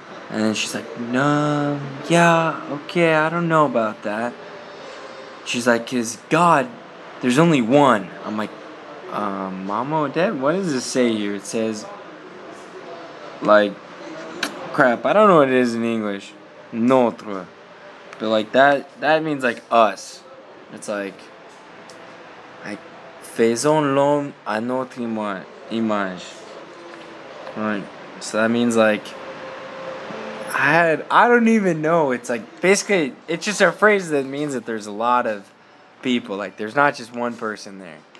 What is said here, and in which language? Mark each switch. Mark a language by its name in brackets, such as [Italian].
[English] And then she's like, no, yeah, okay, I don't know about that. She's like, 'cause God, there's only one. I'm like, Mama, Dad, what does it say here? It says, like, crap, I don't know what it is in English. Notre. But, like, that means, like, us. It's like, [French] faisons l'homme à notre image. [English] Right. So that means, like, I don't even know. It's like, basically, it's just a phrase that means that there's a lot of people. Like, there's not just one person there.